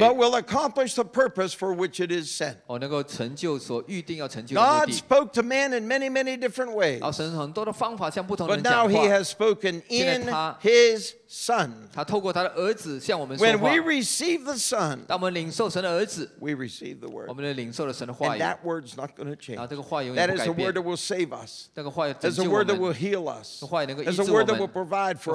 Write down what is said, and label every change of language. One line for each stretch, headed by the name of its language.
English: but will accomplish the purpose for which it is sent.
Chinese: 哦, 能够成就所预定要成就的目的。
English: God spoke to man in many, many different ways,
Chinese: 然后神很多的方法向不同的人讲话,
English: but now he has spoken in his son.
Chinese: 他透过他的儿子向我们说话。
English: When we receive the son,
Chinese: 当我们领受神的儿子,
English: we receive the word.
Chinese: 我们的领受了神的话语。
English: And that word's not going to change.
Chinese: 啊, 这个话语永远不改变。
English: That is a word that will save us.
Chinese: 这个话语拯救我们。
English: That's a word that will heal us.
Chinese: 这个话语能够医治我
English: That's a word that will provide for us.